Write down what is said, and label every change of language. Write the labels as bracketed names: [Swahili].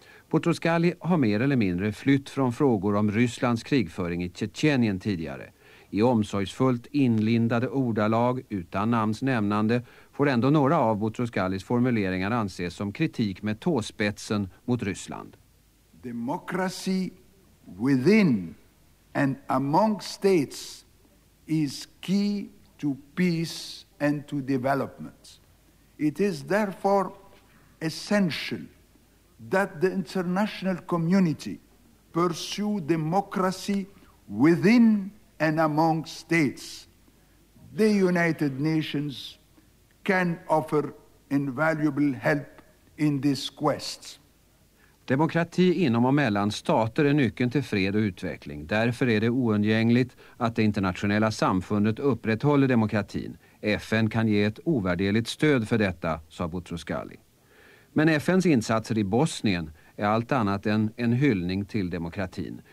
[Swedish] Boutros-Ghali har mer eller mindre flytt från frågor om Rysslands krigföring i Tjetjenien tidigare. I omsorgsfullt inlindade ordalag utan namns nämnande får ändå några av Boutros-Ghalis formuleringar anses som kritik med tåspetsen mot Ryssland. [English] Democracy within and among states is key to peace and to development. It is therefore essential that the international community pursue democracy within and among states. The United Nations can offer invaluable help in this quest. [Swedish] Demokrati inom och mellan stater är nyckeln till fred och utveckling. Därför är det oundgängligt att det internationella samfundet upprätthåller demokratin. FN kan ge ett ovärderligt stöd för detta, sa Boutros-Ghali. Men FNs insatser i Bosnien är allt annat än en hyllning till demokratin.